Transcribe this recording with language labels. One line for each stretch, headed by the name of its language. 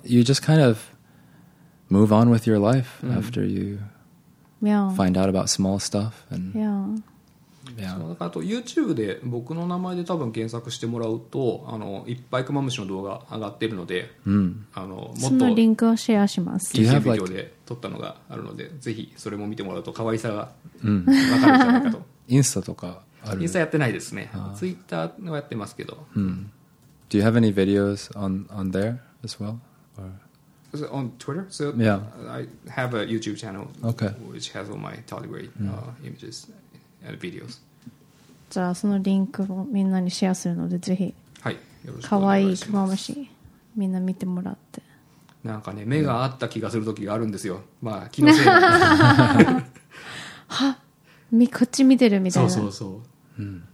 English: You just kind of move on with your life after you find out about small stuff and
Japanese: そう、あと YouTube で僕の名前で多分検索してもらうとあのいっぱいクマムシの動画上がってるので、あのもっとそのリンクをシェアします。 YouTube ビデオで撮ったのがあるのでぜひそれも見てもらうと可愛さが分かるんじゃないかと。インスタとかある？インスタやってないですね。ツイッターはやってますけど、
English: Do you have any videos on there as well? Or? So on Twitter? So I have a YouTube channel which has all my tardigrade images and videos.
Japanese: じゃあそのリンクをみんなにシェアするのでぜひ。はい。かわいいクマムシみんな見てもらって。なんかね目が合った気がする時があるんですよ。まあ気のせい。はっ、こっち見てるみたいな。そうそうそう。